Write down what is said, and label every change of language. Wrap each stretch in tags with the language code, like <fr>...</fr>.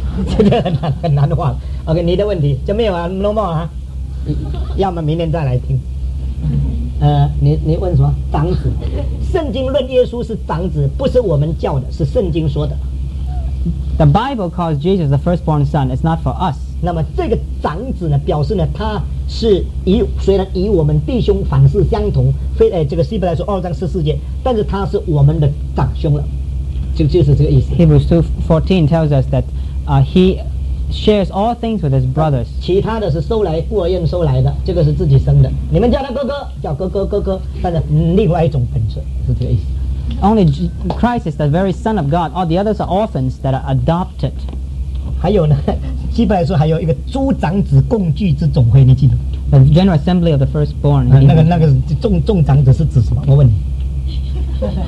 <zh>这个很难话，OK，你的问题就没有啊，</zh> <en>no more</en> <zh>啊，要么明天再来听。你问什么？长子，圣经论耶稣是长子，不是我们教的，是圣经说的。The</zh> <en>Bible calls Jesus the firstborn son. It's not for us.</en> <zh>那么这个长子呢，表示呢，他是与虽然与我们弟兄凡事相同，非这个希伯来书2章14节，但是他是我们的长兄了，就是这个意思。</zh> <en>Hebrews 2:14 tells us that he shares all things with his brothers.</en> <zh>其他的是收来孤儿院收来的，这个是自己生的。你们叫他哥哥，叫哥哥，但是另外一种本质是这个意思。Only</zh> <en>Christ is the very son of God. All the others are orphans that are adopted.</en> <zh>还有呢，基本来说还有一个诸长子共聚之总会，你记得？The</zh> <en>General Assembly of the Firstborn.</en> <zh>那个众长子是指什么？我问你。</zh>